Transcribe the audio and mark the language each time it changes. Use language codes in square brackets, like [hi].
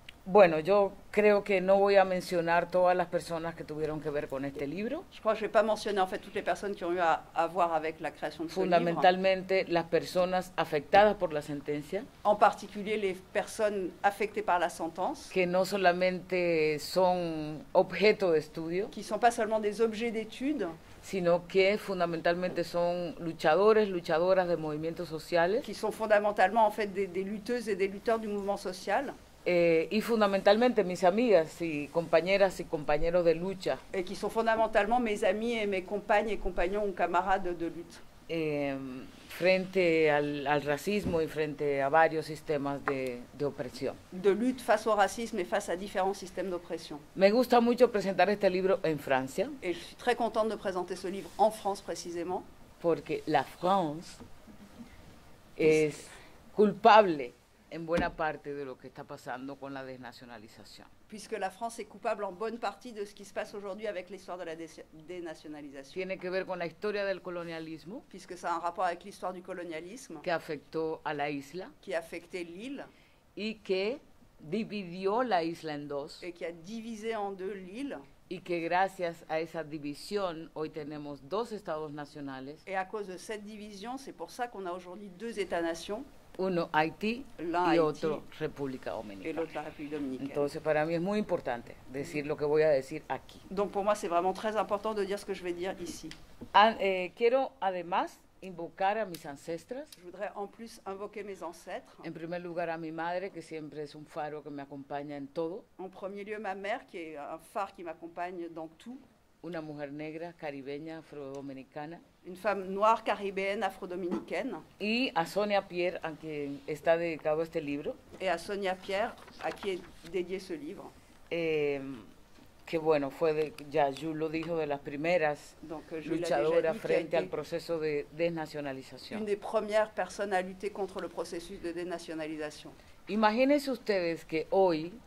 [es] Bueno, yo creo que no voy a mencionar todas las personas que tuvieron que ver con este libro. [fr] Je crois que je vais pas mencionner en fait toutes les personnes qui ont eu à voir avec la création de ce [es] fundamentalmente [fr] livre. [es] Las personas afectadas por la sentencia. [fr] En particulier les personnes affectées par la sentence. [es] Que no solamente son objeto de estudio. [fr] Qui sont pas seulement des objets d'étude. [es] Sino que fundamentalmente son luchadores, luchadoras de movimientos sociales. [fr] Qui sont fondamentalement en fait des lutteuses et des lutteurs du mouvement social. [es] Y fundamentalmente mis amigas y compañeras y compañeros de lucha. [fr] Et qui sont fondamentalement mes amis et mes compagnes et compagnons ou camarades de lutte. [es] Frente al racismo y frente a varios sistemas de opresión. [fr] De lutte face au racisme et face à différents systèmes d'oppression. [es] Me gusta mucho presentar este libro en Francia. [fr] Et je suis très contente de présenter ce livre en France précisément. [es] Porque la France es culpable en buena parte de lo que está pasando con la desnacionalización. [fr] Puisque la France est coupable en bonne partie de ce qui se passe aujourd'hui avec l'histoire de la dénationalisation. [es] Tiene que ver con la historia del colonialismo. [fr] Puisque ça a un rapport avec l'histoire du colonialisme. [es] Que afectó a la isla. [fr] Qui a affecté l'île. [es] Y que dividió la isla en dos. [fr] Et qui a divisé en deux l'île. [es] Y que gracias a esa división hoy tenemos dos estados nacionales. [fr] Et à cause de cette division, c'est pour ça qu'on a aujourd'hui deux états-nations. [es] Uno Haití [fr] L'un [es] y Haití, otro República Dominicana. [fr] Et l'autre la République Dominicaine. [es] Entonces para mí es muy importante decir lo que voy a decir aquí. [fr] Donc pour moi c'est vraiment très important de dire ce que je vais dire ici. [es] Quiero además invocar a mis ancestras. [fr] Je voudrais en plus invoquer mes ancêtres. [es] En primer lugar a mi madre que siempre es un faro que me acompaña en todo. [fr] En premier lieu ma mère qui est un phare qui m'accompagne dans tout. [es] Una mujer negra caribeña afrodominicana. [fr] Une femme noire caribéenne afrodominicaine. [es] Y a Sonia Pierre a quien está dedicado este libro. [fr] Et à Sonia Pierre à qui est dédié ce livre. [es] Que bueno, fue de, ya Jules lo dijo, de las primeras luchadoras frente al proceso de desnacionalización. [fr] Une des premières personnes à lutter contre le processus de dénationalisation. [es] Imagínense ustedes que hoy,